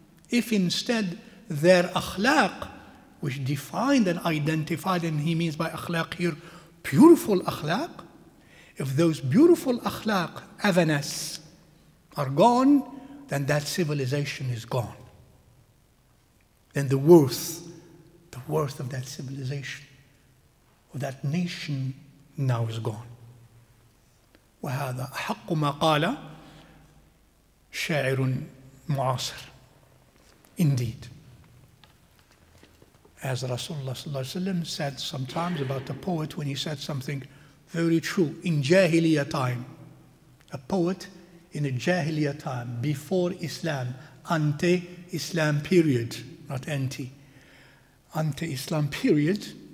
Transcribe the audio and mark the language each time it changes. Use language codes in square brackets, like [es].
[en] If instead their akhlaq, which defined and identified, and he means by akhlaq here, beautiful akhlaq, if those beautiful akhlaq evanesce, are gone, then that civilization is gone. Then the worth of that civilization, of that nation, now is gone. [ar] وهذا حق ما قال شاعر معاصر. [en] Indeed. As Rasulullah sallallahu alayhi wa sallam said sometimes about a poet when he said something very true in Jahiliyyah time. A poet in a Jahiliyyah time, before Islam, ante-Islam period, not anti. Ante-Islam period,